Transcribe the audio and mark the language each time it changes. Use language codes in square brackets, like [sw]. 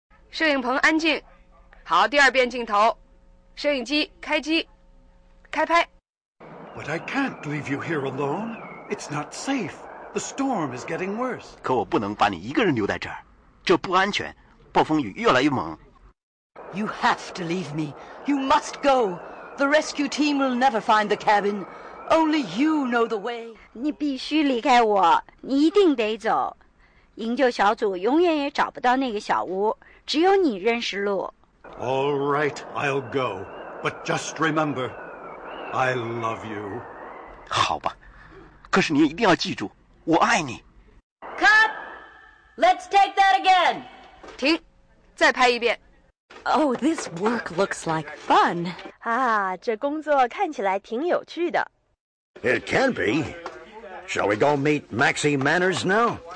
[zh] 摄影棚安静。好，第二遍镜头。摄影机开机，开拍。 [en] But I can't leave you here alone. It's not safe. The storm is getting worse. [zh] 可我不能把你一个人留在这儿，这不安全，暴风雨越来越猛。 [en] You have to leave me. You must go. The rescue team will never find the cabin. Only you know the way. [zh] 你必须离开我，你一定得走。营救小组永远也找不到那个小屋，只有你认识路。 [en] All right, I'll go. But just remember, I love you. [zh] 好吧，可是你一定要记住，我爱你。 [en] Cut! Let's take that again! [zh] 停，再拍一遍。 [en] Oh, this work looks like fun. [zh] 啊，这工作看起来挺有趣的。 [en] It can be. Shall we go meet Maxie Manners now?